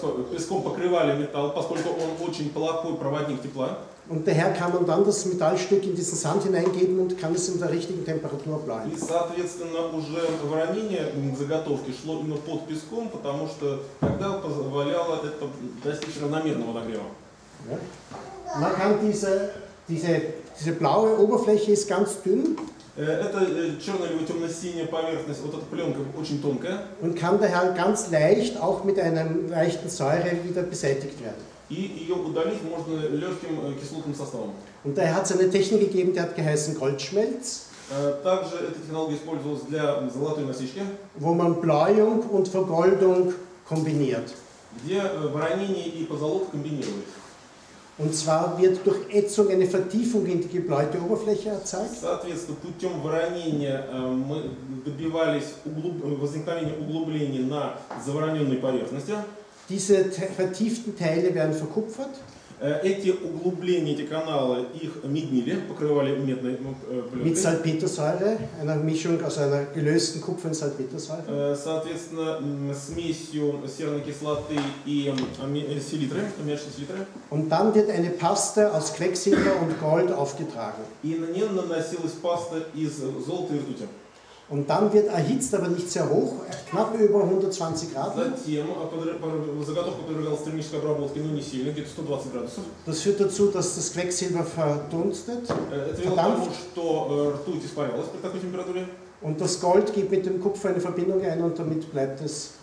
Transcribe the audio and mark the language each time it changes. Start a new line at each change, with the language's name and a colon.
Russian: Песком покрывали металл, поскольку он очень плохой проводник тепла.
German: Und daher kann man dann das Metallstück in diesen Sand hineingeben und kann es in der richtigen Temperatur bleiben.
Russian: И, соответственно, уже вранение заготовки шло именно под песком, потому что тогда позволяло это достичь равномерного нагрева.
German: Man kann diese blaue Oberfläche ist ganz dünn.
Russian: Это черная либо темно-синяя поверхность, вот эта пленка очень тонкая.
German: Und kann daher ganz leicht auch mit einem leichten Säure wieder beseitigt werden.
Russian: И ее удалить можно легким кислотным составом.
German: Und daher hat es eine Technik gegeben, die hat geheißen Goldschmelz.
Russian: Также эта технология использовалась для золотой насечки.
German: Wo man Bläuung und Vergoldung kombiniert.
Russian: Где вранение и позолота комбинируют.
German: Und zwar wird durch Ätzung eine Vertiefung in die gebläute Oberfläche erzeugt.
Russian: Соответственно, путем вранения мы добивались возникновения углублений на завраненной поверхности.
German: Diese vertieften Teile werden verkupfert.
Russian: Эти углубления, эти каналы, их меднили, покрывали медной пленкой.
German: Mit Salpetersäure, einer Mischung aus einer gelösten Kupfer und Salpetersäure.
Russian: Соответственно, смесью серной кислоты и селитры, аммиачной селитры.
German: Und dann wird eine Paste aus Quecksilber und Gold aufgetragen.
Russian: И на нее наносилась паста из золота и ртути.
German: Und dann wird erhitzt, aber nicht sehr hoch, knapp über 120 Grad.
Russian: Затем заготовка подвергалась термической обработке, но не сильно, где-то 120 градусов.
German: Das führt dazu, dass das Quecksilber verdunstet, verdampft.
Russian: Это вело к тому, что ртуть испарялась при такой температуре.
German: Und das Gold geht mit dem Kupfer in Verbindung ein und damit bleibt es